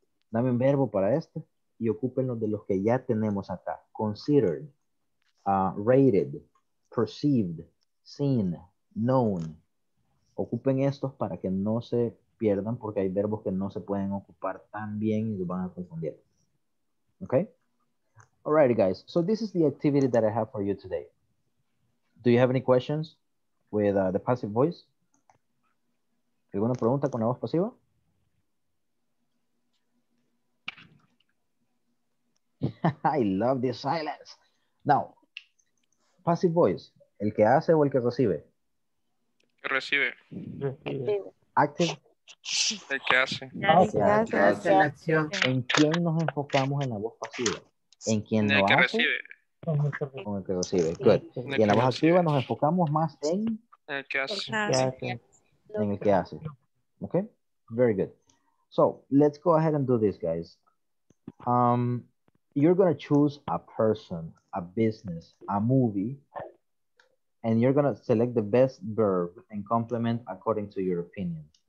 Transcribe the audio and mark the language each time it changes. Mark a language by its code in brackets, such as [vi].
[es] Dame un verbo para este y ocúpenlo de los que ya tenemos acá. Considered. [en] Rated, perceived, seen, known. [es] Ocupen estos para que no se pierdan porque hay verbos que no se pueden ocupar tan bien y los van a confundir. [en] Okay? Alrighty, guys. So this is the activity that I have for you today. Do you have any questions with the passive voice? [es] ¿Alguna pregunta con la voz pasiva? [en] I love this silence. Now, passive voice, [es] el que hace o el que recibe? Recibe. [en] Active. [es] El que hace. El que hace. La acción. ¿En quién nos enfocamos en la voz pasiva? ¿En quién en lo hace? En el que recibe. En el que recibe. Good. En y en la voz activa nos enfocamos más en. El que hace. En el que hace. Okay. [en] Very good. So let's go ahead and do this, guys. You're going to choose a person, a business, a movie, and you're going to select the best verb and complement according to your opinion.